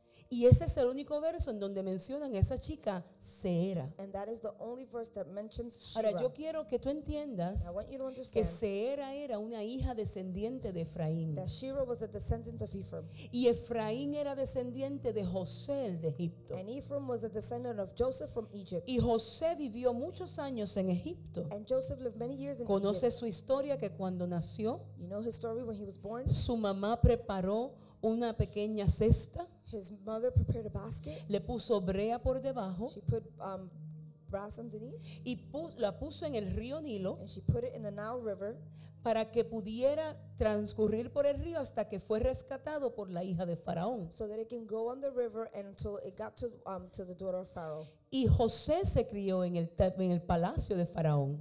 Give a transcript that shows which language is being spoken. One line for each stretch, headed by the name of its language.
Spanish: Y ese es el único verso en donde mencionan a esa chica Seera.
English: And that is the only verse that mentions Shira.
Spanish: Ahora yo quiero que tú entiendas que Seera era una hija descendiente de Efraín.
English: That Shira was a descendant of Ephraim.
Spanish: Y Efraín era descendiente de José el de Egipto.
English: And Ephraim was a descendant of Joseph from Egypt.
Spanish: Y José vivió muchos años en Egipto.
English: And Joseph lived many years in Egypt.
Spanish: Conoce su historia que cuando nació,
English: you know his story when he was born?
Spanish: Su mamá preparó una pequeña cesta.
English: His mother prepared a basket.
Spanish: Le puso brea por debajo.
English: She put brass underneath.
Spanish: Y la puso en el río Nilo.
English: And she put it in the Nile River.
Spanish: Para que pudiera transcurrir por el río hasta que fue rescatado por la hija de Faraón.
English: So that it can go on the river until it got to the daughter of Pharaoh.
Spanish: Y José se crió en el palacio de Faraón.